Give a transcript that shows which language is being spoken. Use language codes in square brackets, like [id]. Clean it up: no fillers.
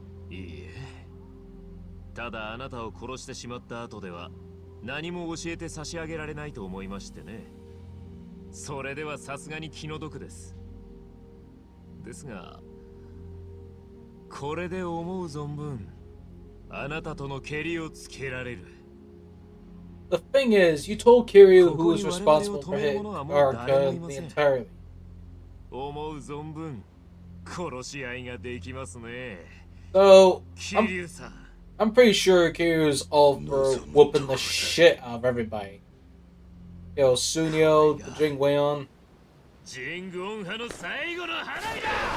[ja] いいえ、ただあなたを殺してしまった後では何も教えて差し上げられないと思いましてね。それではさすがに気の毒です。ですがこれで思う存分あなたとのケリをつけられる。 [en] The thing is, you told Kiryu who was responsible for his arc entirely. [ja] 思う存分殺し合いができますね。 [en] So, I'm pretty sure Kiryu's all for whooping the shit out of everybody. You know, Sunio, the Jingweon. [ja] Jingweon-ha の最後の花火だ！